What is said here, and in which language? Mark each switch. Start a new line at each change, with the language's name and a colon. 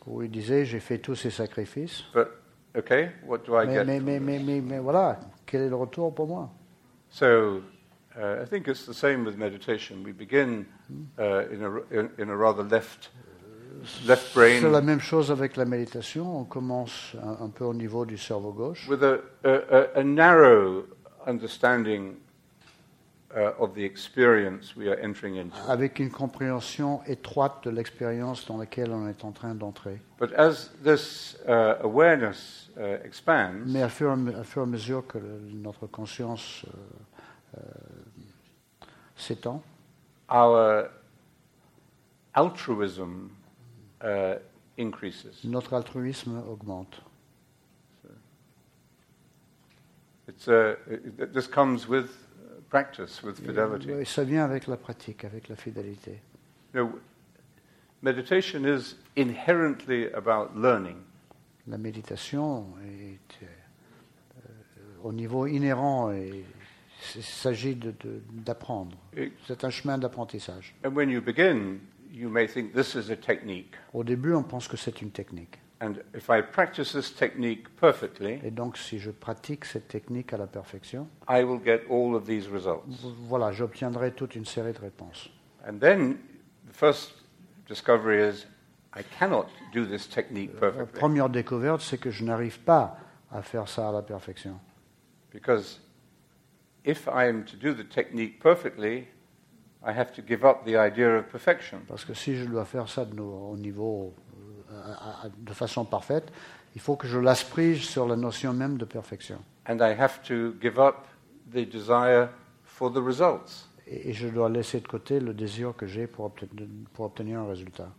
French: Où il disait, j'ai fait tous ces sacrifices.
English: But okay, what do I get?
French: Mais voilà, quel est le retour pour moi?
English: So, I think it's the same with meditation. We begin in a rather left brain.
French: C'est la même chose avec la méditation. On commence un peu au niveau du cerveau gauche.
English: With a narrow understanding of the experience we are entering into.
French: Avec une compréhension étroite de l'expérience dans laquelle on est en train d'entrer.
English: But as this awareness expands,
French: mais à fur et à mesure que notre conscience s'étend,
English: our altruism increases.
French: Notre altruisme augmente.
English: The This comes with practice, with fidelity.
French: Et ça vient avec la pratique, avec la fidélité.
English: You know, meditation is inherently about learning.
French: La méditation est au niveau inhérent et il s'agit d'apprendre. C'est un chemin d'apprentissage.
English: And when you begin, you may think this is a technique.
French: Au début, on pense que c'est une technique.
English: And if I practice this technique perfectly,
French: et donc si je pratique cette technique à la perfection,
English: I will get all of these results.
French: Voilà, j'obtiendrai toute une série de réponses.
English: And then the first discovery is I cannot do this technique perfectly.
French: La première découverte, c'est que je n'arrive pas à faire ça à la perfection.
English: Because if I am to do the technique perfectly, I have to give up the idea of perfection.
French: Parce que si je dois faire ça au niveau de façon parfaite, il faut que je l'asprige sur la notion même de perfection.
English: And I have to give up the desire for the results.
French: Et je dois laisser de côté le désir que j'ai pour obtenir un résultat.